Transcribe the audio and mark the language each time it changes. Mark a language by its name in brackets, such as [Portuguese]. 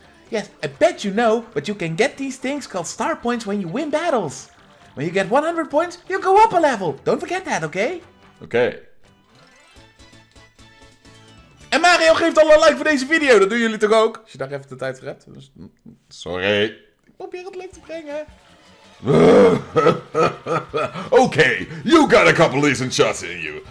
[English] Yes, I bet you know, but you can get these things called star points when you win battles. When you get 100 points, you go up a level. Don't forget that, okay? Okay. [Dutch] En Mario geeft al een like voor deze video. Dat doen jullie toch ook? Als je daar even de tijd voor hebt. Sorry. Ik probeer het leuk te brengen. [English] Okay, you got a couple decent shots in you.